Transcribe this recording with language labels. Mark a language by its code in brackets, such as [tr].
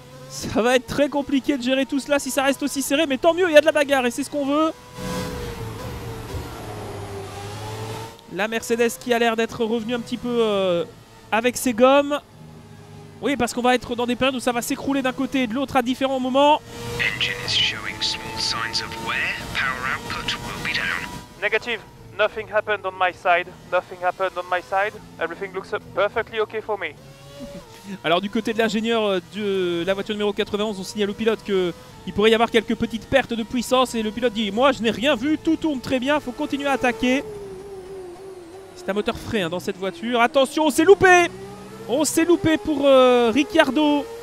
[fr] Ça va être très compliqué de gérer tout cela si ça reste aussi serré. Mais tant mieux, il y a de la bagarre et c'est ce qu'on veut. La Mercedes qui a l'air d'être revenue un petit peu avec ses gommes. Oui, parce qu'on va être dans des périodes où ça va s'écrouler d'un côté et de l'autre à différents moments. [en] Engine is showing small signs of wear. Power output will be down. Negative. Nothing happened on my side. Nothing happened on my side. Everything looks perfectly okay for me. [fr] Alors du côté de l'ingénieur de la voiture numéro 91, on signale au pilote qu'il pourrait y avoir quelques petites pertes de puissance et le pilote dit « Moi, je n'ai rien vu, tout tourne très bien, faut continuer à attaquer. » C'est un moteur frais hein, dans cette voiture. Attention, on s'est loupé! On s'est loupé pour Ricciardo.